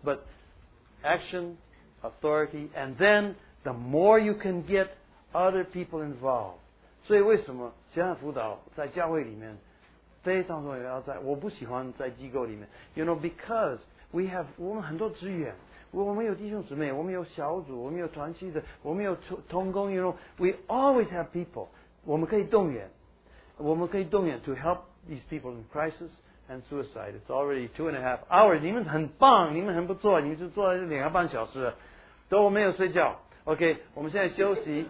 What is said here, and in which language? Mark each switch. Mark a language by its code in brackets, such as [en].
[en] But action, authority, and then the more you can get other people involved. [zh] 所以为什么其他辅导在教会里面非常重要，在我不喜欢在机构里面。 [en] You know, because we have, [zh] 我们很多资源，我们有弟兄姊妹，我们有小组，我们有团契的，我们有同工， [en] you know, we always have people. [zh] 我们可以动员。我们可以动员 [en] to help these people in crisis and suicide. It's already 2.5 hours. [zh] 你们很棒，你们很不错，你们就坐了2.5小时了，都没有睡觉。OK, 我们现在休息。